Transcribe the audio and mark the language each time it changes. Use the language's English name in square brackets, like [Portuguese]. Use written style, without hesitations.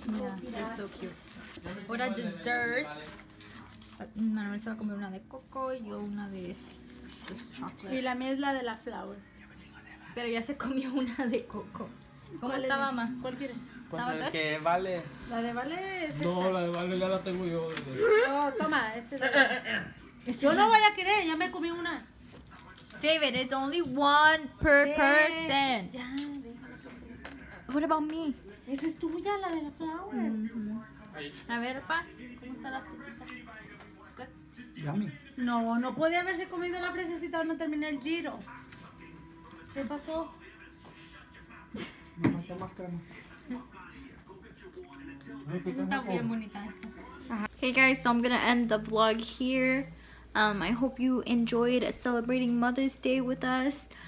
[English] Yeah, they're so cute. What a dessert. [Spanish] Manuel se va a comer una de coco y yo una de chocolate. Y la mía es la de la flower. Pero ya se comió una de coco. ¿Cómo está, mamá? ¿Cuál quieres? Pues la que vale. ¿La de vale es esta? No, la de vale ya la tengo yo. No, toma, este de vale. Yo no voy a querer, ya me comí una. [English] David, it's only one per person. Ya, what about me? [Spanish] Esa es tuya, la de la flower. Mm-hmm. A ver, pa, ¿cómo está la fresita? [English] Yummy. [Spanish] No, no podía haberse comido la fresita, no terminé el giro. ¿Qué pasó? No, no está más crema. Esa está bien bonita esta. [English] Hey guys, so I'm gonna end the vlog here. I hope you enjoyed celebrating Mother's Day with us.